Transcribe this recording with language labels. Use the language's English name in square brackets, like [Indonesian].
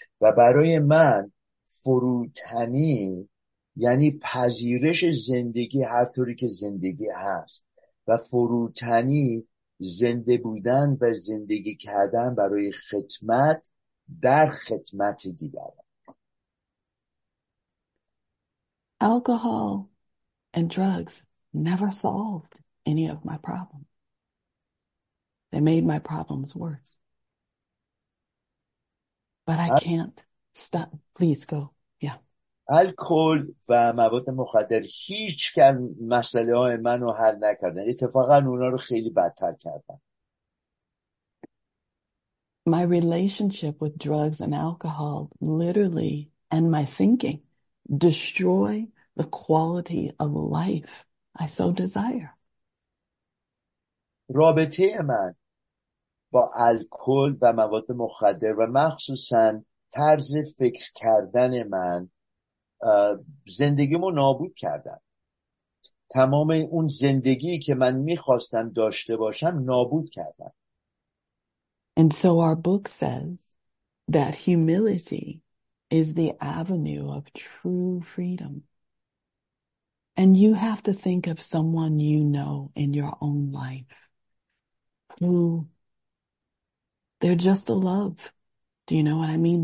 [Persian] و برای من فروتنی یعنی پذیرش زندگی هر طوری که زندگی هست و فروتنی زنده بودن و زندگی کردن برای خدمت در خدمت دیگران. [English] Alcohol and drugs never solved any of my problems. They made my problems worse. But I can't stop. Please go. Yeah. [Persian] الکل و مواد مخدر هیچ کم مسئله های من رو حل نکردن. اتفاقا اونا رو خیلی بدتر کردن. [English] My relationship with drugs and alcohol literally and my thinking destroy the quality of life I so desire. [Persian] رابطه من با الکل و مواد مخدر و مخصوصا طرز فکر کردن من زندگیمو نابود کردن. تمام اون زندگی که من میخواستم داشته باشم نابود کردن. [English] And so our book says that humility is the avenue of true freedom. And you have to think of someone you know in your own life who they're just a love. Do you know what I mean?